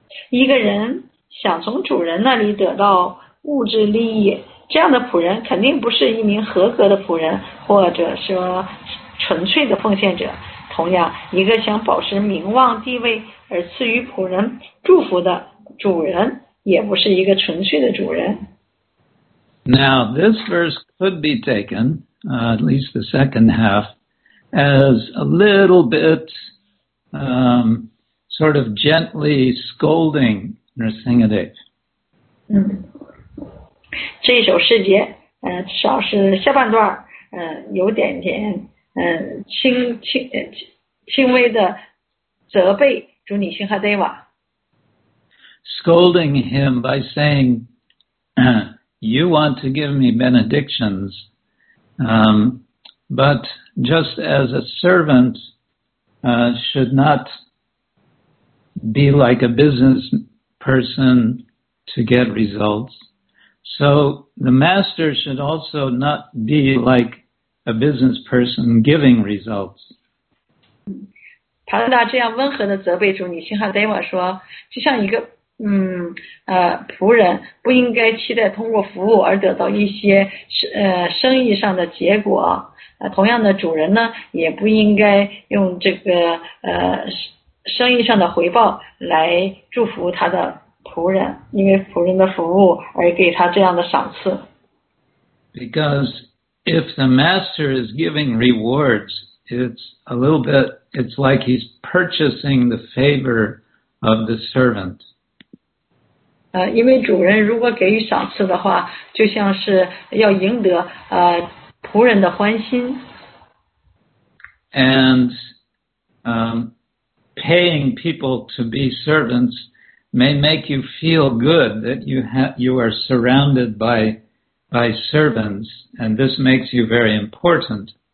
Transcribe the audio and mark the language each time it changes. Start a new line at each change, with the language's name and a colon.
Chinese: 一个人想从主人那里得到物质利益，这样的仆人肯定不是一名合格的仆人，或者说纯粹的奉献者。同样，一个想保持名望地位而赐予仆人祝福的主人，也不是一个纯粹的主人。
English: Now, this verse could be taken, at least the second half, as a little bit, sort of gently scolding Nrsingadev.
Chinese: 这一首诗节，至少是下半段，有点点，轻微的责备主女星哈 Deva.
English: Scolding him by saying, "You want to give me benedictions, but just as a servant should not be like a business person to get results." So the master should also not be like a business person giving results.
Chinese: 帕拉达这样温和的责备主女辛哈德瓦说，就像一个仆人不应该期待通过服务而得到一些生意上的结果。同样的，主人呢也不应该用这个生意上的回报来祝福他的。
English: Because if the master is giving rewards, it's like he's purchasing the favor of the servant.
Chinese: 因为主人如果给予赏赐的话，就像是要赢得仆人的欢心。
English: And paying people to be servants may make you feel good that you are surrounded by servants, and this makes you very important.